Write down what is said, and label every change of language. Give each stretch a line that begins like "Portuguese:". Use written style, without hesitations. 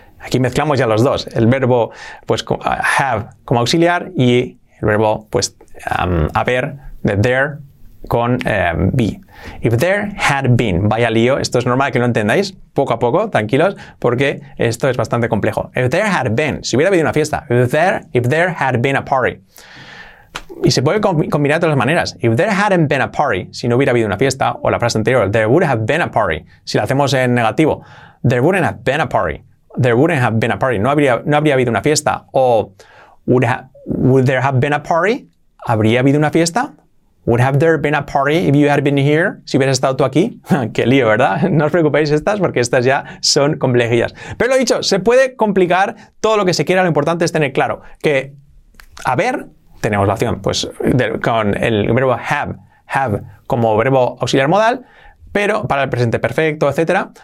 Spanish: Aquí mezclamos ya los dos, el verbo pues have como auxiliar y el verbo pues haber, de there, con be.
English: If there had been,
Spanish: vaya lío, esto es normal que lo entendáis, poco a poco, tranquilos, porque esto es bastante complejo.
English: If there had been,
Spanish: si hubiera habido una fiesta.
English: If there had been a party.
Spanish: Y se puede combinar de las maneras.
English: If there hadn't been a party,
Spanish: si no hubiera habido una fiesta, o la frase anterior,
English: there would have been a party,
Spanish: si la hacemos en negativo.
English: There wouldn't have been a party. There wouldn't have been a party.
Spanish: No habría habido una fiesta.
English: O would there have been a party?
Spanish: ¿Habría habido una fiesta?
English: Would have there been a party if you had been here?
Spanish: Si hubieras estado tú aquí. Qué lío, ¿verdad? No os preocupéis estas, porque estas ya son complejillas. Pero lo dicho, se puede complicar todo lo que se quiera. Lo importante es tener claro que haber, tenemos la opción, pues con el verbo have como verbo auxiliar modal, pero para el presente perfecto, etcétera.